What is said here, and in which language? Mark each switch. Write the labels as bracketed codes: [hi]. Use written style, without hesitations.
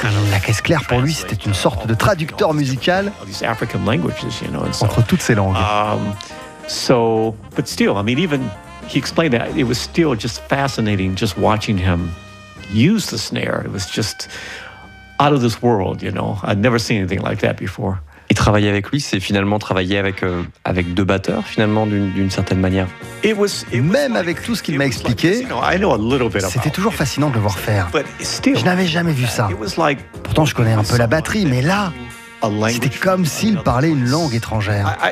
[fr] La caisse claire, pour lui, c'était une sorte de traducteur musical entre toutes ces langues. [en] He explained that it was still just fascinating just watching him use the snare. It was just out of this world, I'd never seen anything like that before. [fr] Et travailler avec lui, c'est finalement travailler avec deux batteurs, finalement, d'une certaine manière. Même avec tout ce qu'il m'a expliqué, c'était toujours fascinant de le voir faire. Je n'avais jamais vu ça. Pourtant, je connais un peu la batterie, mais là, c'était comme s'il parlait une langue étrangère.